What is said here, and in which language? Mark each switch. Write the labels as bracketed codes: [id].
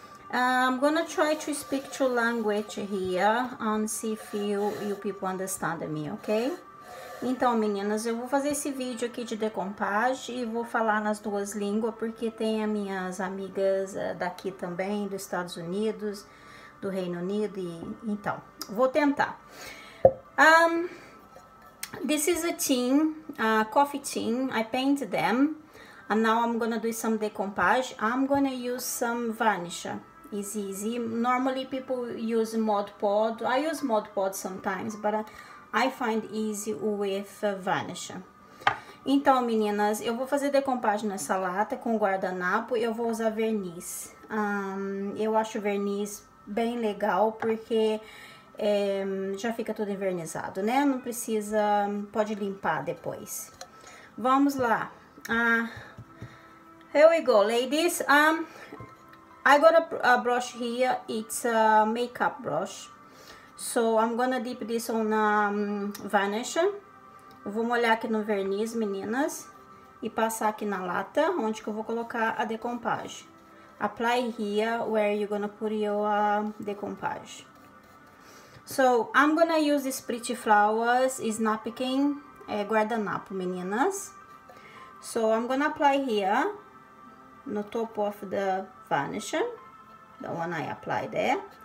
[en] I'm gonna try to speak two language here and see if you people understand me, ok? [pt] Então, meninas, eu vou fazer esse vídeo aqui de decompage e vou falar nas duas línguas porque tem as minhas amigas daqui também, dos Estados Unidos, do Reino Unido e então, vou tentar. [en] This is a tin, a coffee tin. I painted them. And now I'm gonna do some decompage. I'm gonna use some varnish. It's easy. Normally people use Mod Pod. I use Mod Pod sometimes, but I find easy with varnish. [pt] Então, meninas, eu vou fazer decompage nessa lata com guardanapo. Eu vou usar verniz. Eu acho verniz bem legal porque já fica tudo envernizado, né? Não precisa. Pode limpar depois. Vamos lá. [en] Here we go, ladies. I got a brush here. It's a makeup brush. So I'm gonna dip this on varnish. [pt] Vou molhar aqui no verniz, meninas, e passar aqui na lata, onde que eu vou colocar a decompage. [en] Apply here where you're gonna put your decompage. So I'm gonna use this pretty flowers, is napkin, [pt] guardanapo, meninas. [en] So I'm gonna apply here. No top of the varnish, the one I applied there.